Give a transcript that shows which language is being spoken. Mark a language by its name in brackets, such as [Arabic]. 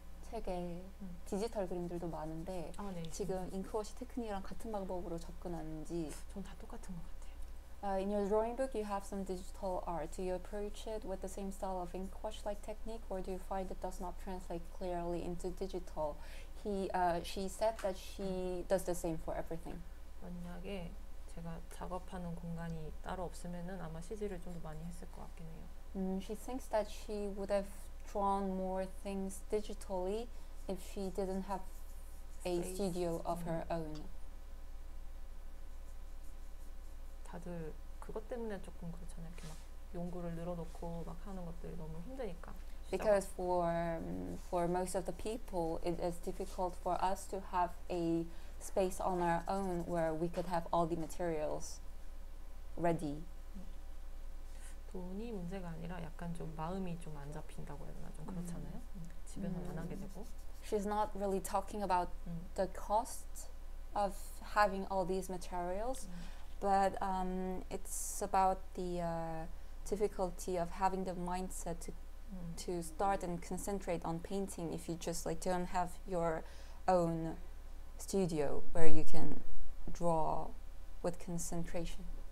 [Korean] 책에 디지털 그림들도 많은데 아, 네. 지금 인크워시 테크닉이랑 같은 방법으로 접근하는지 전 다 똑같은 것 같아요. [English] In your drawing book, you have some digital art. Do you approach it with the same style of inkwash-like technique, or do you find it does not translate clearly into digital? She said that she does the same for everything. [Korean] 만약에 제가 작업하는 공간이 따로 없으면은 아마 CG를 좀 더 많이 했을 것 같긴 해요. [English] She thinks that she would have drawn more things digitally if she didn't have a studio of her own. [Korean] 다들 그것 때문에 조금 그렇잖아요. 이렇게 막 용구를 늘어놓고 막 하는 것들이 너무 힘드니까. [English] Because for most of the people, it is difficult for us to have a space on our own where we could have all the materials ready. [Korean] 돈이 문제가 아니라 약간 좀 마음이 좀 안 잡힌다고 해야 되나 좀 그렇잖아요. 집에서 안 하게 되고. [English] She's not really talking about the cost of having all these materials, but it's about the difficulty of having the mindset to start and concentrate on painting if you just like don't have your own studio where you can draw with concentration.